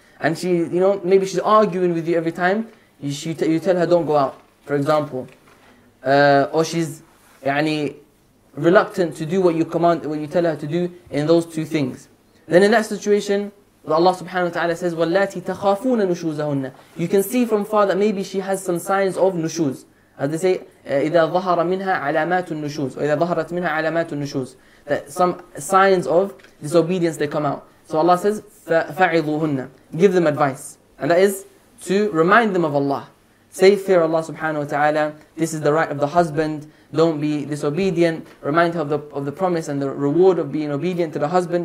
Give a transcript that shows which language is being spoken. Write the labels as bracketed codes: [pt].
[en] And she, you know, maybe she's arguing with you every time. You tell her, don't go out, for example. Or she's يعني, reluctant to do what you command, what you tell her to do in those two things. Then in that situation, Allah subhanahu wa ta'ala says, [ar] وَاللَّاتِ تَخَافُونَ نُشُوزَهُنَّ. [en] You can see from far that maybe she has some signs of nushuz. [ar] As they say, إِذَا ظَهَرَ مِنْهَا عَلَامَاتُ النُّشُوزِ وَإِذَا ظَهَرَتْ مِنْهَا عَلَامَاتُ النُّشُوزِ. [en] That some signs of disobedience, they come out. So Allah says, [ar] فَعِظُوهُنَّ. [en] Give them advice. And that is to remind them of Allah. Say, fear Allah subhanahu wa ta'ala. This is the right of the husband. Don't be disobedient. Remind her of the promise and the reward of being obedient to the husband.